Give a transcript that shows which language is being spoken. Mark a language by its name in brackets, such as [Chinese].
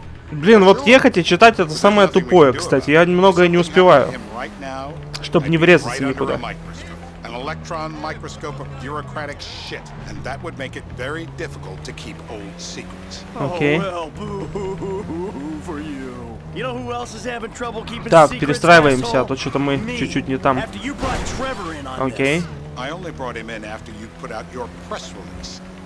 [Russian] Блин, вот ехать и читать это самое тупое, кстати. Я многое не успеваю. Чтобы не врезаться никуда. [English] An electron microscope of bureaucratic shit, and that would make it very difficult to keep old secrets. Okay. You know who else is having trouble keeping secrets? [Russian] Так, перестраиваемся, а то что-то мы чуть-чуть не там. [English] Okay. I only brought him in after you put out your press release.